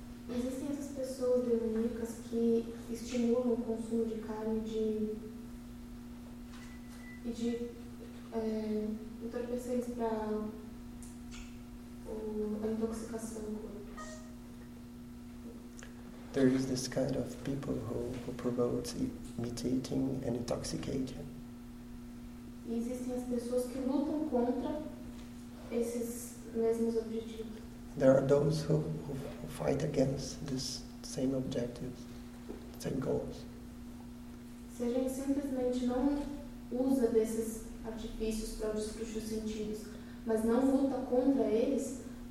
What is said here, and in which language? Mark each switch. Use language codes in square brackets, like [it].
[pt] Existem essas pessoas demoníacas que estimulam o consumo de carne de entorpecentes para intoxicação. [en] There is this kind of people who promote meat eating and intoxication. [pt] Existem as pessoas que lutam contra esses mesmos objetivos. [en] There are those who fight against this same objectives, same goals. [pt] Se a gente simplesmente não usa desses artifícios para destruir os sentidos, mas não luta contra eles,